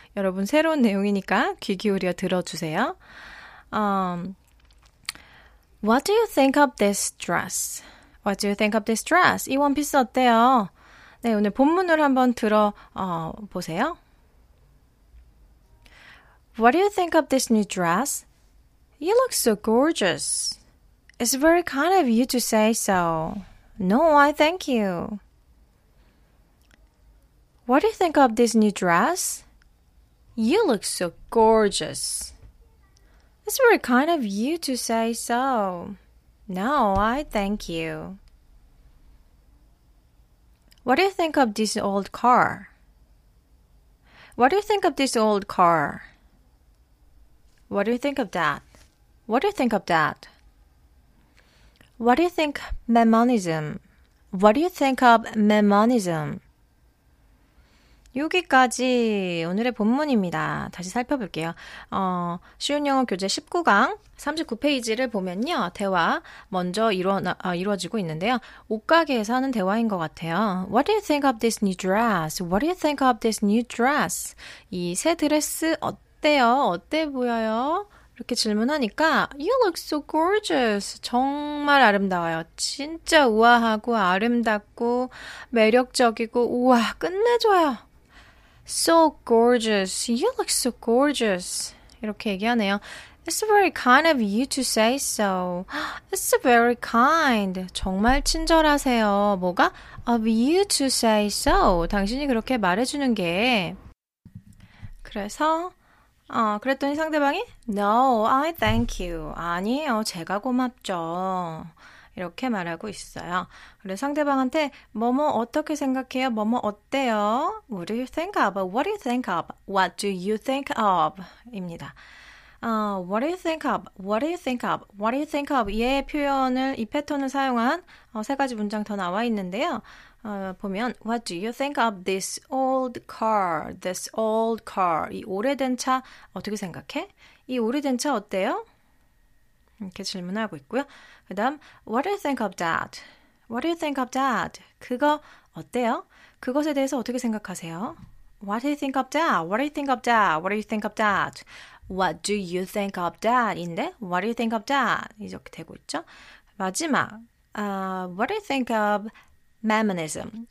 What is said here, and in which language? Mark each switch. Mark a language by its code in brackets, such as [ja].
[ko] 여러분, 새로운 내용이니까 귀 기울여 들어주세요. [en] What do you think of this dress? What do you think of this dress? [ko] 이 원피스 어때요? 네, 오늘 본문을 한번 들어 보세요. [en] What do you think of this new dress? You look so gorgeous. It's very kind of you to say so. No, I thank you. What do you think of this new dress? You look so gorgeous. It's very kind of you to say so. No, I thank you. What do you think of this old car? What do you think of this old car? What do you think of that? What do you think of that? What do you think of Mormonism? What do you think of Mormonism? [ko] 여기까지 오늘의 본문입니다. 다시 살펴볼게요. 쉬운 영어 교재 19강 39페이지를 보면요. 대화 먼저 이루어지고 있는데요. 옷가게에서 하는 대화인 것 같아요. [en] What do you think of this new dress? What do you think of this new dress? [ko] 이 새 드레스 어때요? 어때 보여요? 이렇게 질문하니까 [en] You look so gorgeous. [ko] 정말 아름다워요. 진짜 우아하고 아름답고 매력적이고 우와 끝내줘요. [en] So gorgeous. You look so gorgeous. [ko] 이렇게 얘기하네요. [en] It's very kind of you to say so. It's very kind. [ko] 정말 친절하세요. 뭐가? [en] Of you to say so. [ko] 당신이 그렇게 말해주는 게. 그래서 그랬더니 상대방이 [en] No, I thank you. [ko] 아니에요. 제가 고맙죠. 이렇게 말하고 있어요. 그래서 상대방한테 뭐뭐 어떻게 생각해요? 뭐뭐 어때요? [en] What do you think of? What do you think of? What do you think of? [ko] 입니다. [en] What do you think of? What do you think of? What do you think of? [ko] 이 표현을, 이 패턴을 사용한 세 가지 문장 더 나와 있는데요. 보면 [en] What do you think of this old car? This old car. [ko] 이 오래된 차 어떻게 생각해? 이 오래된 차 어때요? 이렇게 질문하고 있고요. 그 다음, [en] What do you think of that? What do you think of that? [ko] 그거 어때요? 그것에 대해서 어떻게 생각하세요? [en] What do you think of that? What do you think of that? What do you think of that? What do you think of that? [ko] 인데, [en] What do you think of that? [ko] 이렇게 되고 있죠. 마지막, [en] What do you think of Mormonism?